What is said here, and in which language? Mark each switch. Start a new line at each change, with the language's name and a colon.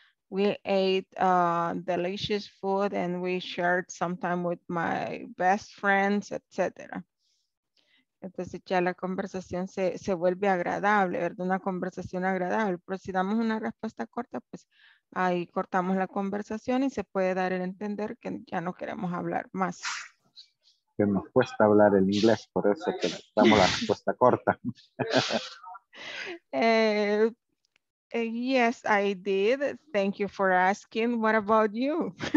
English: We ate delicious food and we shared some time with my best friends, etc.
Spanish: Entonces ya la conversación se vuelve agradable, ¿verdad? Una conversación agradable. Pero si damos una respuesta corta, pues ahí cortamos la conversación y se puede dar el entender que ya no queremos hablar más. Que nos cuesta hablar el inglés, por eso que damos la respuesta corta.
English: Yes, I did. Thank you for asking. What about you?